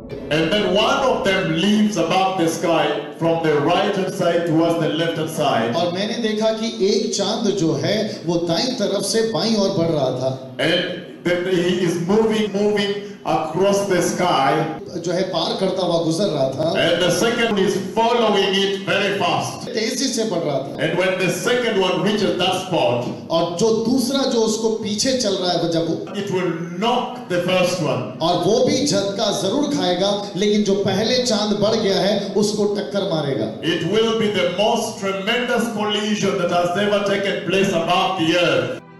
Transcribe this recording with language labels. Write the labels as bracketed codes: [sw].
[en] And then one of them leaves above the sky from the right hand side towards the left hand side. [hi] और मैंने देखा कि एक चांद जो है वो दाईं तरफ से बाईं ओर बढ़ रहा था. [en] And then he is moving across the sky. [hi] जो है पार करता हुआ गुजर रहा था. [en] And the second is following it very fast. [hi] तेजी से बढ़ रहा था. [en] And when the second one reaches that spot. [hi] और जो दूसरा जो उसको पीछे चल रहा है वो जब [en] it will knock the first one. [hi] और वो भी झटका जरूर खाएगा लेकिन जो पहले चांद बढ़ गया है उसको टक्कर मारेगा. [en] It will be the most tremendous collision that has ever taken place above the earth.